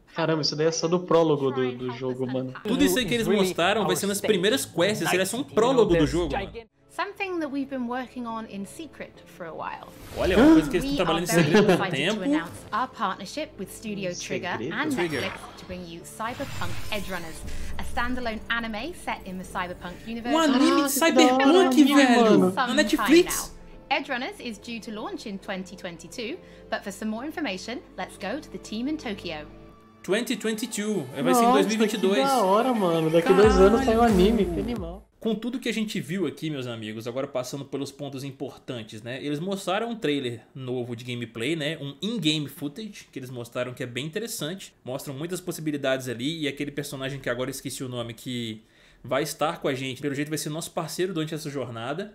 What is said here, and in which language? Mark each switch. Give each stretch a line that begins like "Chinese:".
Portuguese: Caramba, isso daí é só do prólogo do jogo, mano. Tudo isso aí que eles mostraram vai ser nas primeiras quests, seria só um prólogo do jogo.
English: Something that we've been working on in secret for a while.
Portuguese: Olha, uma coisa que eles estão trabalhando em segredo há tempo.
English: Our partnership with Studio Trigger and Netflix to bring you Cyberpunk Edge Runners, a standalone anime set in the Cyberpunk universe.
Portuguese: Um anime de Cyberpunk, velho, na Netflix.
English: Edge Runners is due to launch in 2022, but for some more information, let's go to the team in Tokyo.
Portuguese: 2022, vai ser em 2022. Nossa, que da hora, mano. Daqui dois anos sai o anime, que animal. Com tudo que a gente viu aqui, meus amigos, agora passando pelos pontos importantes, né? Eles mostraram um trailer novo de gameplay, né? Um in-game footage, que eles mostraram que é bem interessante. Mostram muitas possibilidades ali e aquele personagem que agora esqueci o nome que vai estar com a gente, pelo jeito vai ser nosso parceiro durante essa jornada.